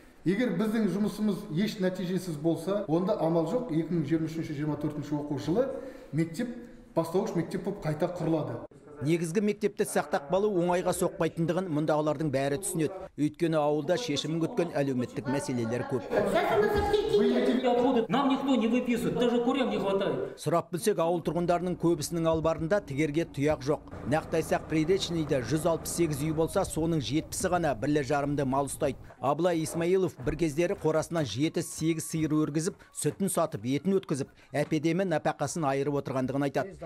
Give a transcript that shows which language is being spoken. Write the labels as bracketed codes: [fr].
[kk] Егер біздің жұмысымыз еш нәтижесіз болса, онда амал жоқ, 2023-2024 оқу жылы мектеп бастауыш мектеп болып қайта құрылады. Негізгі мектепті сақтап қалу оңайға соқпайтындығын мұндағылардың бәрі түсінеді. Өйткені ауылда шешімін күткен әлеуметтік мәселелер көп. [ru] Нам никто не выписывает, даже курям не хватает. [kk] Сұрап білсек, ауыл тұрғындарының көбісінің албарында тігерге тұяқ жоқ. Нақты айтсақ, Приречныйда 168 үй болса, соның 70-і ғана бірлі жарымды мал ұстайды. Абылай Исмаилов бір кездері қорасынан 7-8 сиыр өргізіп, сүтін сатып, етін өткізіп, әпедемі нәпақасын айырып отырғандығын айтады.